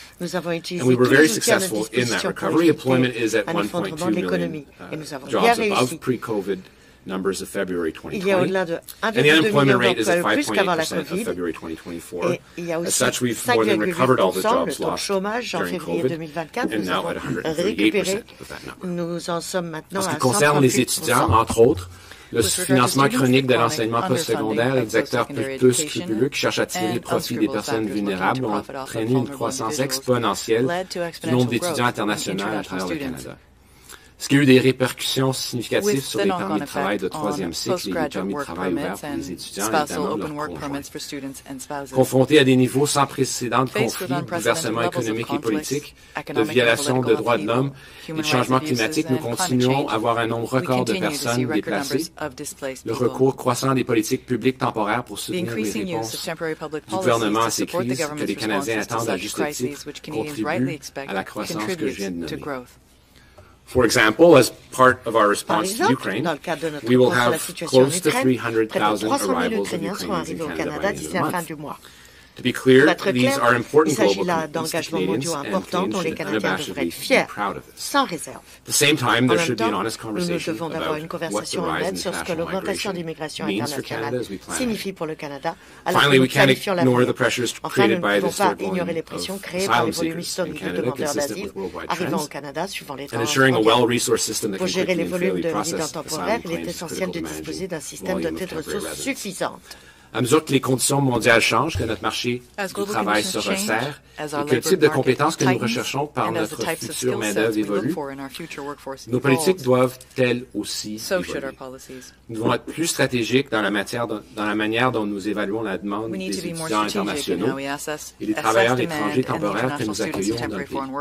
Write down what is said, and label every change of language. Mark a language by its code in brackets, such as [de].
[en] And we were very successful in that recovery. Employment is at 1.2 million jobs above pre-COVID numbers of February 2020. And the unemployment rate is at 5.8% of February 2024. As such, we've more than recovered all the jobs lost during COVID, and now at 138% of that number. [fr] En ce qui concerne les étudiants, entre autres, le financement chronique de l'enseignement postsecondaire et des acteurs plus scrupuleux qui cherchent à tirer le profit des personnes vulnérables ont entraîné une croissance exponentielle du nombre d'étudiants internationaux à travers le Canada. Ce qui a eu des répercussions significatives sur les permis de travail de troisième cycle et les permis de travail ouverts pour les étudiants et notamment leurs conjoints. Confrontés à des niveaux sans précédent de conflits, bouleversements économiques et politiques, de violations de droits de l'homme et de changements climatiques, nous continuons à voir un nombre record de personnes déplacées, le recours croissant à des politiques publiques temporaires pour soutenir les réponses du gouvernement à ces crises que les Canadiens attendent à juste titre contribuent à la croissance que je viens de nommer. [en] For example, as part of our response to Ukraine, we will have close to 300,000 arrivals of Ukrainians in Canada by the end of the month. To be clear, these are important global commitments to Canadians, and Canadians should unabashedly be proud of this. At the same time, there should be an honest conversation about what the rise in international migration means for Canada as we plan ahead. Finally, we can't ignore the pressures created by this third volume of asylum seekers in Canada, consistent with worldwide trends, and ensuring a well-resourced system that can quickly and fairly process asylum claims is critical to managing volume of temporary residents. [fr] À mesure que les conditions mondiales changent, que notre marché du travail se resserre, et que le type de compétences que nous recherchons par notre future main-d'œuvre évolue, nos politiques doivent-elles aussi évoluer. Nous devons être plus stratégiques dans la manière dont nous évaluons la demande des étudiants internationaux et des travailleurs étrangers temporaires que nous accueillons dans le pays.